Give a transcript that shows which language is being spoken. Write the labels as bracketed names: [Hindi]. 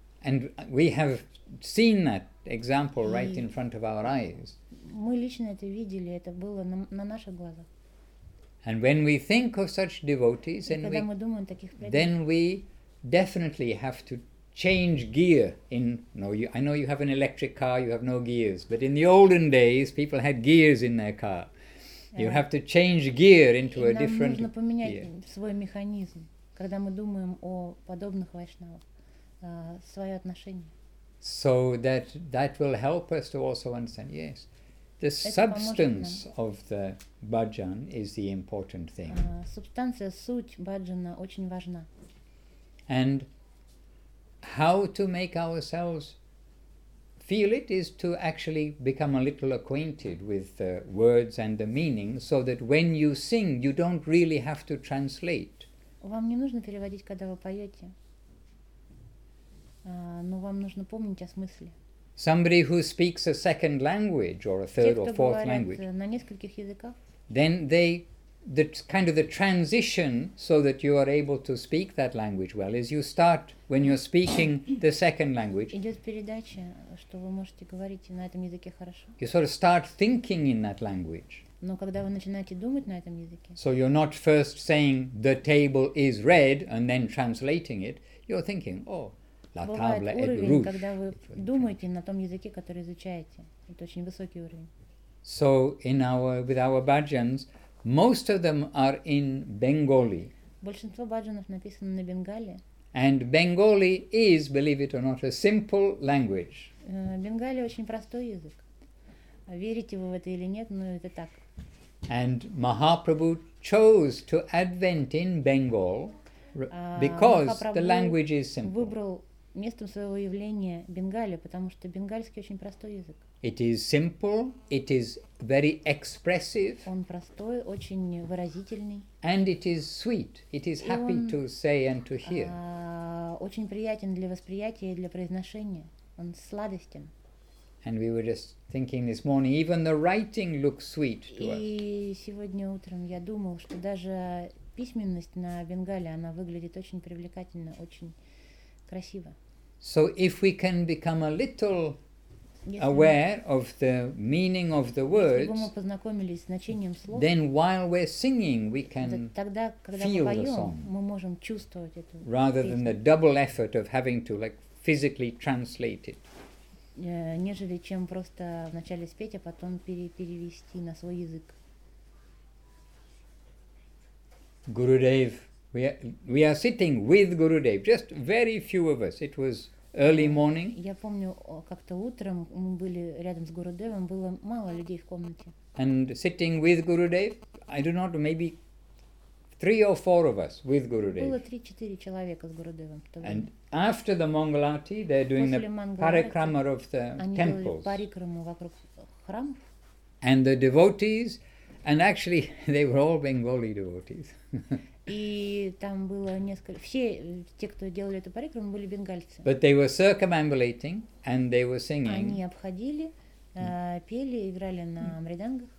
[English] And we have seen that example right in front of our eyes. [Russian] Мы лично это видели, это было на наших глазах. [English] And when we think of such devotees, and [Russian] когда мы думаем о таких преданных, [English] then we definitely have to change gear in. No, you, I know you have an electric car, you have no gears, but in the olden days, people had gears in their car. You have to change gear into a different gear. [Russian] Нам нужно поменять свой механизм, когда мы думаем о подобных вайшнавах, свое отношение. [English] So that will help us to also understand. Yes, The substance of the bhajan is the important thing. [Russian] Субстанция, суть баджана очень важна. [English] And how to make ourselves feel it is to actually become a little acquainted with the words and the meaning, so that when you sing, you don't really have to translate. [Russian] Вам не нужно переводить, когда вы поете. Но вам нужно помнить о смысле. [English] Somebody who speaks a second language or a third or fourth language. [Russian] Те, кто говорят на нескольких языках. [English] Then they, the kind of the transition, so that you are able to speak that language well, is you start when you're speaking the second language. [Russian] Идет передача, что вы можете говорить на этом языке хорошо. [English] You sort of start thinking in that language. [Russian] Но когда вы начинаете думать на этом языке. [English] So you're not first saying the table is red and then translating it. You're thinking, oh. [Russian] Бывает уровень, когда вы думаете на том языке, который изучаете. Это очень высокий уровень. [English] So in our, with our bhajans, most of them are in Bengali. [Russian] Большинство баджанов написано на Бенгали. [English] And Bengali is, believe it or not, a simple language. [Russian] Бенгали очень простой язык. Верите вы в это или нет, но это так. [English] And Mahaprabhu chose to advent in Bengal because the language is simple. [Russian] Местом своего явления Бенгали, потому что бенгальский очень простой язык. [English] It is simple, it is very expressive. [Russian] Он простой, очень выразительный. [English] And it is sweet, it is happy to say and to hear. [Russian] Очень приятен для восприятия и для произношения. Он сладостен. [English] And we were just thinking this morning, even the writing looks sweet to us. [Russian] И сегодня утром я думал, что даже письменность на Бенгали, она выглядит очень привлекательно, очень... Красиво. [English] So if we can become a little aware of the meaning of the words, [Russian] если бы мы познакомились с значением слов, [English] then while we're singing, we can [Russian] тогда, когда [English] feel [Russian] мы поем, [English] the song. [Russian] Мы можем чувствовать эту [English] Rather [Russian] песню. [English] Than the double effort of having to like physically translate it. [Russian] Нежели чем просто вначале спеть, а потом перевести на свой язык. [English] Gurudev. We are sitting with Gurudev, just very few of us. It was early morning. [Russian] Я помню, как-то утром мы были рядом с Гурудевом, было мало людей в комнате. [English] And sitting with Gurudev, I do not know, maybe three or four of us with Gurudev. [Russian] Было 3-4 человека с Гурудевом. [English] And after the Mangal Aarti, they're doing the parikrama of the temples. [Russian] Они делали парикраму вокруг храмов. [English] And the devotees, and actually they were all Bengali devotees. [Russian] И там было несколько... Все те, кто делали эту парикраму, были бенгальцы. [English] But they were circumambulating and they were singing. [Russian] Они обходили, пели, играли на мридангах.